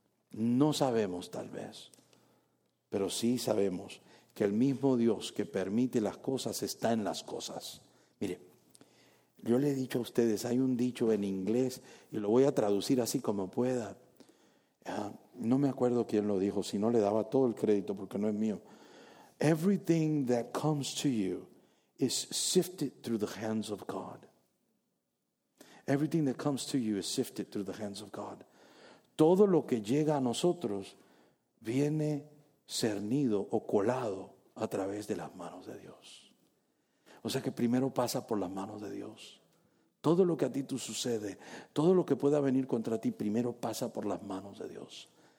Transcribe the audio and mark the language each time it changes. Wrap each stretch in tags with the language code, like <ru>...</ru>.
<es>No sabemos tal vez, pero sí sabemos que el mismo Dios que permite las cosas está en las cosas. Mire, yo le he dicho a ustedes, hay un dicho en inglés y lo voy a traducir así como pueda. No me acuerdo quién lo dijo, si no le daba todo el crédito porque no es mío.</es> <en>Everything that comes to you is sifted through the hands of God. Everything that comes to you is sifted through the hands of God.</en> <es>Todo lo que llega a nosotros viene cernido o colado a través de las manos de Dios. O sea que primero pasa por las manos de Dios. Todo lo que a ti tú sucede, todo lo que pueda venir contra ti, primero pasa por las manos de Dios.</es>